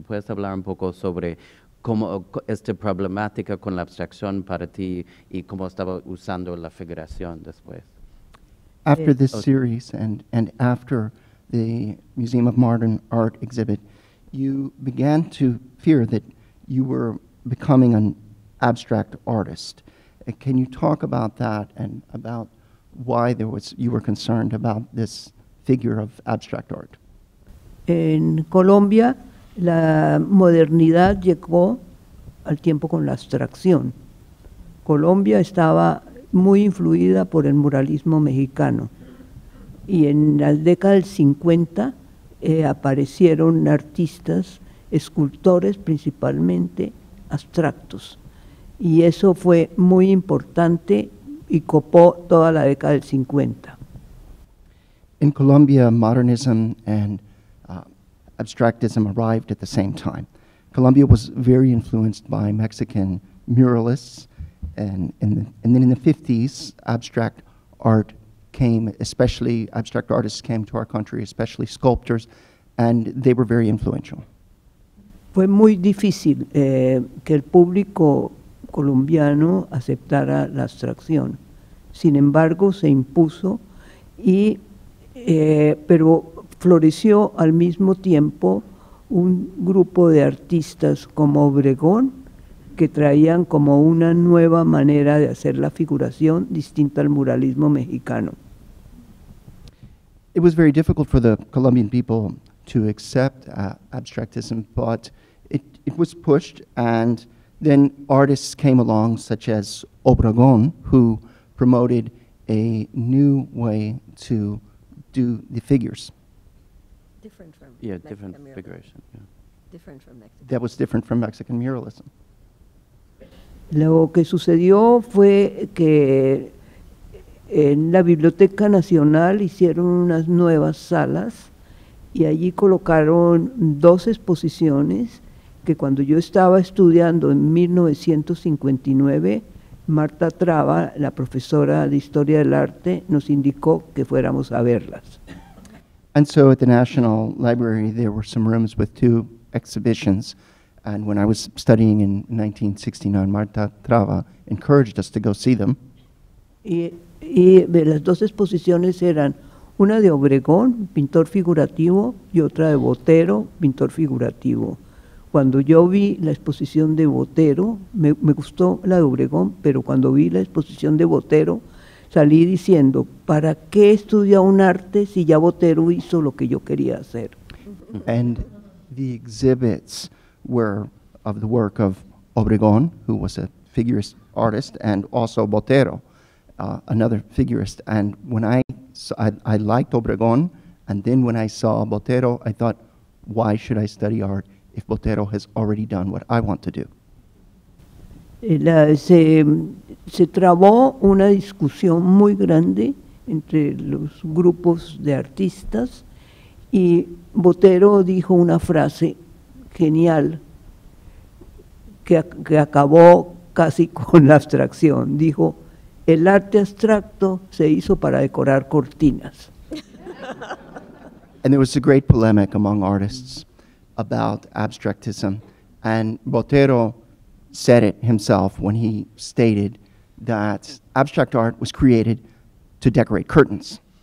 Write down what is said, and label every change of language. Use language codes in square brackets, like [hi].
[es] ¿Puedes hablar un poco sobre cómo esta problemática con la abstracción para ti y cómo estaba usando la figuración después? [en] After this series and after the Museum of Modern Art exhibit, you began to fear that you were becoming an abstract artist. Can you talk about that and about why there was you were concerned about this figure of abstract art? [es] En Colombia, la modernidad llegó al tiempo con la abstracción. Colombia estaba muy influida por el muralismo mexicano. Y en la década del 50 aparecieron artistas, escultores principalmente, abstractos. Y eso fue muy importante y copó toda la década del 50. [en] En Colombia, modernism and abstractism arrived at the same time. Colombia was very influenced by Mexican muralists, and then in the 50s, abstract art came, especially abstract artists came to our country, especially sculptors, and they were very influential. [es] Fue muy difícil que el público colombiano aceptara la abstracción. Sin embargo, se impuso y pero floreció al mismo tiempo un grupo de artistas como Obregón, que traían como una nueva manera de hacer la figuración distinta al muralismo mexicano. [en] It was very difficult for the Colombian people to accept abstractism, but it was pushed, and then artists came along, such as Obregón, who promoted a new way to do the figures. Different from Mexican muralism. Different figuration. Different from Mexican. That was different from Mexican muralism. [es] Lo que sucedió fue que en la Biblioteca Nacional hicieron unas nuevas salas y allí colocaron dos exposiciones que cuando yo estaba estudiando en 1959, Marta Traba, la profesora de Historia del Arte, nos indicó que fuéramos a verlas. [en] And so at the National Library there were some rooms with two exhibitions. And when I was studying in 1969, Marta Traba encouraged us to go see them. [es] Y las dos exposiciones eran una de Obregón, pintor figurativo, y otra de Botero, pintor figurativo. Cuando yo vi la exposición de Botero, me gustó la de Obregón, pero cuando vi la exposición de Botero, salí diciendo, ¿para qué estudia un arte si ya Botero hizo lo que yo quería hacer? [en] And the exhibits were of the work of Obregón, who was a figurist artist, and also Botero, another figurist. And when I liked Obregón, and then when I saw Botero, I thought, why should I study art if Botero has already done what I want to do? [es] Se trabó una discusión muy grande entre los grupos de artistas, y Botero dijo una frase genial, que acabó casi con la abstracción. Dijo, el arte abstracto se hizo para decorar cortinas. [en] And there was a great polemic among artists about abstractism. And Botero said it himself when he stated that abstract art was created to decorate curtains.